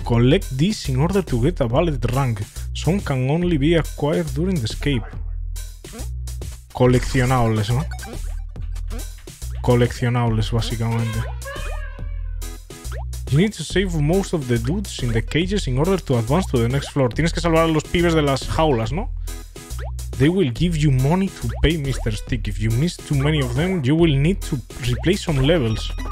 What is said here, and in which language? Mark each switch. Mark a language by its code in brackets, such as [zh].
[en] Collect this in order to get a valid rank. Some can only be acquired during the escape. [es] Coleccionables, ¿no? Coleccionables, básicamente. [en] You need to save most of the dudes in the cages in order to advance to the next floor. [es] Tienes que salvar a los pibes de las jaulas, ¿no? [en] They will give you money to pay Mr. Stick. If you miss too many of them, you will need to replace some levels.